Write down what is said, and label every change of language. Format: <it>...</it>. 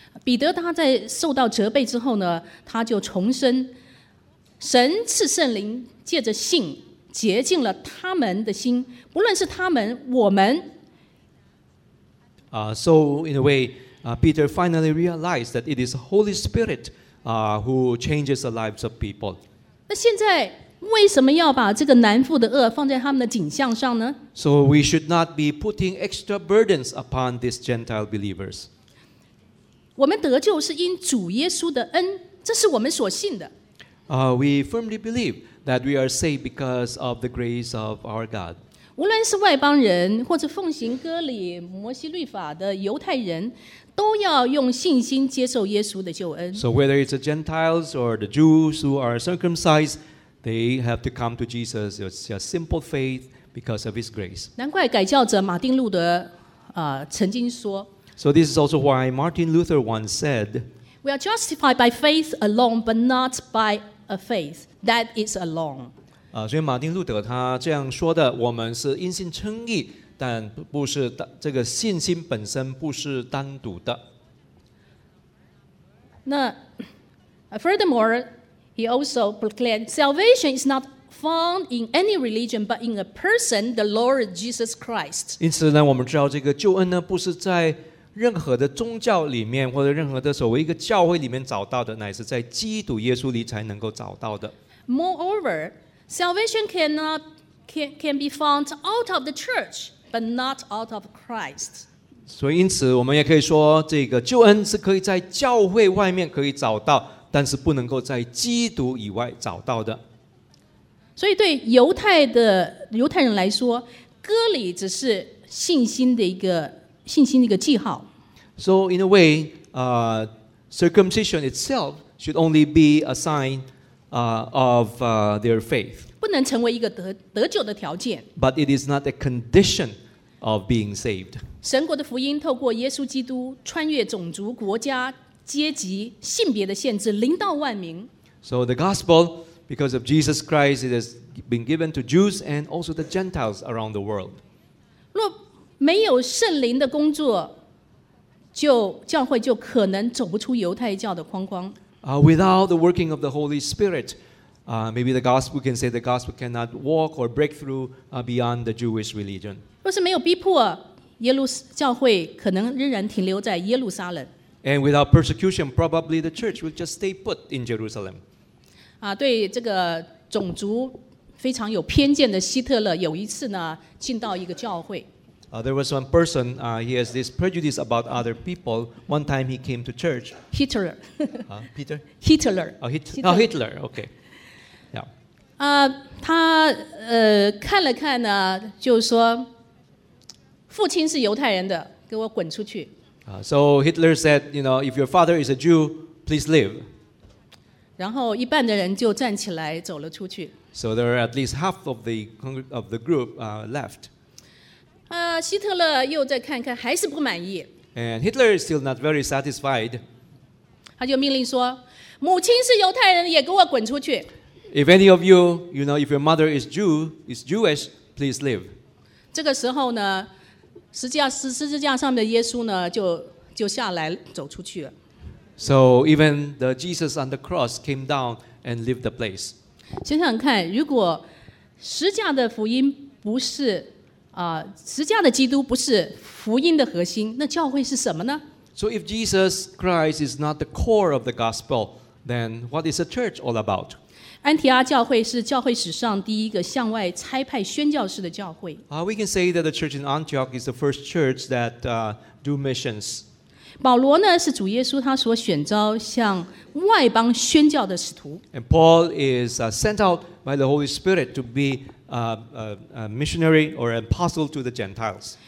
<zh>彼得他在受到责备之后呢，他就重申神赐圣灵借着信洁净了他们的心，不论是他们，我们。</zh> <en>So in a way, Peter finally realized that it is Holy Spirit, who changes the lives of people.</en> <zh>那现在为什么要把这个难负的轭放在他们的颈项上呢</zh> <en>？So we should not be putting extra burdens upon these Gentile believers.</en> <zh>我们得救是因主耶稣的恩，这是我们所信的。</zh> <en>We firmly believe. That we are saved because of the grace of our God.</en> <zh>无论是外邦人或者奉行割礼摩西律法的犹太人，都要用信心接受耶稣的救恩。</zh> <en>So whether it's the Gentiles or the Jews who are circumcised, they have to come to Jesus. It's just simple faith because of His grace.</en> <zh>难怪改教者马丁路德曾经说。</zh> <en>So this is also why Martin Luther once said, "We are justified by faith alone, but not by a faith." That is alone.</en> <zh>所以马丁路德他这样说的，我们是因信称义，但不是这个信心本身不是单独的。</zh> <en>那 furthermore, he also proclaimed salvation is not found in any religion, but in a person, the Lord Jesus Christ.</en> <zh>因此呢，我们知道这个救恩呢，不是在任何的宗教里面或者任何的所谓一个教会里面找到的，乃是在基督耶稣里才能够找到的。</zh> <en>Moreover, salvation can be found out of the church, but not out of Christ.</en> <zh>所以因此我们也可以说这个救恩是可以在教会外面可以找到，但是不能够在基督以外找到的。所以对犹太人来说，割礼只是信心的一个记号。</zh> <en>So in a way, circumcision itself should only be a signof their faith.</en> <zh>不能成为一个得救的条件。</zh> <en>But it is not a condition of being saved.</en> <zh>神国的福音透过耶稣基督穿越种族、国家、阶级、性别的限制，临到万民。</zh> <en>So the gospel, because of Jesus Christ, it has been given to Jews and also the Gentiles around the world.</en> <zh>若没有圣灵的工作，就教会就可能走不出犹太教的框框。</zh> <en>Without the working of the Holy Spirit, maybe the gospel can say the gospel cannot walk or break through beyond the Jewish religion.</en> <zh>若是没有逼迫，耶路教会可能仍然停留在耶路撒冷。</zh> <en>And without persecution, probably the church will just stay put in Jerusalem.</en> <zh>对这个种族非常有偏见的希特勒，有一次呢，进到一个教会。</zh> <en>There was one person, he has this prejudice about other people. One time he came to church. Hitler. Peter? Hitler. Hitler, okay. Yeah.</en> <zh>他看了看呢，就说，父亲是犹太人的，给我滚出去。</zh> <en>So Hitler said, you know, if your father is a Jew, please leave.</en> <zh>然后一半的人就站起来走了出去。</zh> <en>So there are at least half of the group left.</en> <zh>希特勒又再看看，还是不满意。</zh> <en>And Hitler is still not very satisfied.</en> <zh>他就命令说，母亲是犹太人，也给我滚出去。</zh> <en>If any of you, you know, if your mother is Jew, is Jewish, please leave.</en> <zh>这个时候呢，十字架上面的耶稣呢，就下来走出去了。</zh> <en>So even the Jesus on the cross came down and left the place.</en> <zh>想想看，如果十字架的福音不是十字架的基督不是福音的核心，那教会是什么呢？</zh> <en>So if Jesus Christ is not the core of the gospel, then what is the church all about?</en> <zh>安提阿教会是教会史上第一个向外差派宣教士的教会。</zh> <en>We can say that the church in Antioch is the first church that do missions.</en> <zh>保罗呢是主耶稣他所选召向外邦宣教的使徒。</zh> <en>And Paul is sent out by the Holy Spirit to be a missionary or an apostle to the Gentiles.</en>